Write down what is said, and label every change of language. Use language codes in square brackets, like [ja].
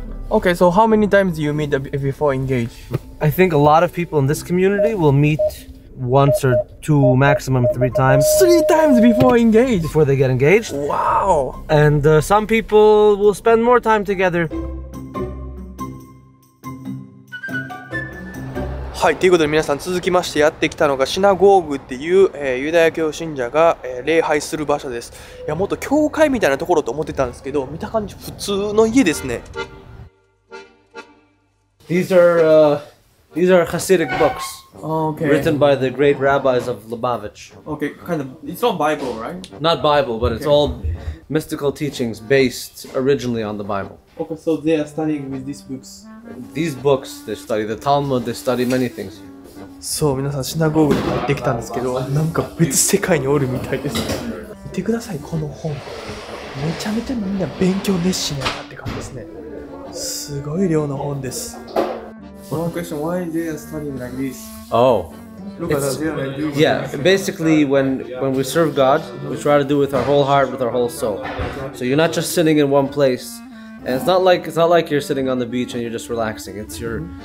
[en] Okay, so how many times do you meet before engage? I think a lot of people in this community will meet once or two, maximum three times. Three times before engaged? Before they get engaged. Wow! And some people will spend more time together. [ja] はい、ということで皆さん、続きましてやってきたのがシナゴーグっていう、ユダヤ教信者が、礼拝する場所です。いや、もっと教会みたいなところと思ってたんですけど、見た感じ普通の家ですね。 [en] These are Hasidic books. Oh, okay. Written by the great rabbis of Lubavitch. Okay, kind of. It's not Bible, right? Not Bible, but okay. It's all mystical teachings based originally on the Bible. Okay, so they are studying with these books. These books, they study the Talmud, they study many things. [ja] So, 皆さん、シナゴーグに行ってきたんですけど、なんか別世界におるみたいです。見てください、この本。めちゃめちゃみんな勉強熱心やなって感じですね。すごい量の本です。 [en] One question, why are they studying like this? Oh. Look at that. Yeah, basically when we serve God, we try to do it with our whole heart, with our whole soul. So you're not just sitting in one place. And it's not like you're sitting on the beach and you're just relaxing. It's your,